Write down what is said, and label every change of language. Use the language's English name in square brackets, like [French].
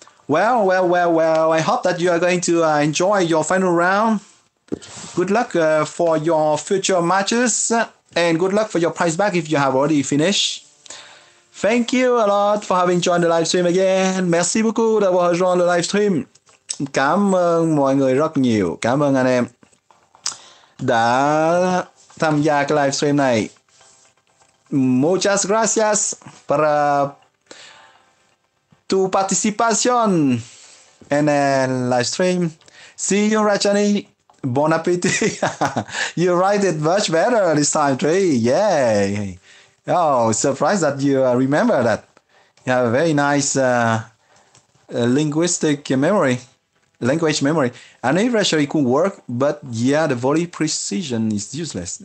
[English] Well, I hope that you are going to enjoy your final round. Good luck for your future matches and good luck for your prize back if you have already finished. Thank you a lot for having joined the live stream again. [French] Merci beaucoup d'avoir [English] joined [French] the live stream. [Vietnamese] Cảm ơn mọi người rất nhiều. Cảm ơn anh em đã tham gia cái live stream này. [Spanish] Muchas gracias para tu participación en el live stream. [English] See you, Rajani. [French] Bon appétit. [English] You write it much better this time, Trey. Yay. Oh, surprised that you remember that. You have a very nice linguistic memory, language memory. Anniversary could work, but yeah, the volley precision is useless.